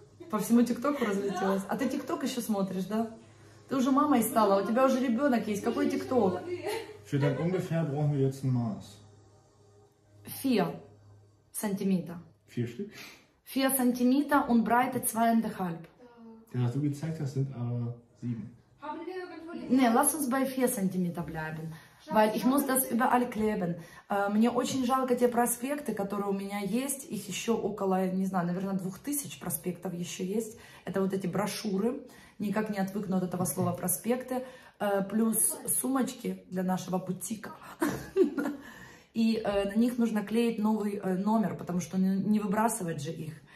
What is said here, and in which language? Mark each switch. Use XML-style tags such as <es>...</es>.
<ru>По всему ТикТоку разлетелось. Да. А ты ТикТок еще смотришь, да? Ты уже мамой стала, у тебя уже ребенок есть. Какой ТикТок?</ru> <de>Für den ungefähr brauchen wir jetzt ein Maß. 4 Zentimeter. 4 Stück? 4 Zentimeter und Breite 2,5. Ja, hast du gezeigt, das sind aber 7. Nee, lass uns bei 4 Zentimeter bleiben. Weil ich muss das überall kleben.</de> <ru>Мне очень жалко те проспекты, которые у меня есть. Их еще около, не знаю, наверное, 2000 проспектов еще есть. Это вот эти брошюры. Никак не отвыкну от этого слова проспекты. Плюс сумочки для нашего бутика. И на них нужно клеить новый номер, потому что не выбрасывать же их.</ru>